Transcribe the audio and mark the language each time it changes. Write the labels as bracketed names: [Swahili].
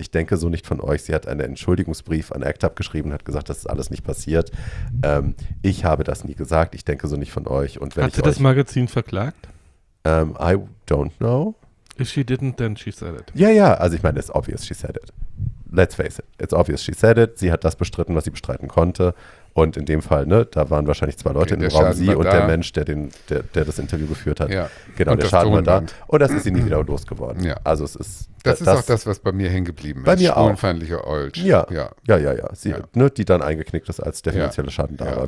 [German] Ich denke so nicht von euch. Sie hat einen Entschuldigungsbrief an ACT UP geschrieben, hat gesagt, das ist alles nicht passiert. Ich habe das nie gesagt. Ich denke so nicht von euch. Und wenn hat sie das Magazin verklagt? [English] I don't know. If she didn't, then she said it. [German] Ja, ja. [English] Also ich meine, it's obvious she said it. Let's face it, it's obvious she said it. Sie hat das bestritten, was sie bestreiten konnte [German] Und in dem Fall, ne, da waren wahrscheinlich zwei Leute, okay, im Raum, sie und da. Der Mensch, der, den, der, der das Interview geführt hat. Ja. Genau, und der Schaden war da. Und das ist sie nie wieder losgeworden. Ja. Also es ist, das ist auch das, was bei mir hängen geblieben ist. Bei mir auch. Spurenfeindliche Olsch. Ja. Ja, ja, ja. Ja. Sie, ja. Ne, die dann eingeknickt ist, als der finanzielle Schaden da war.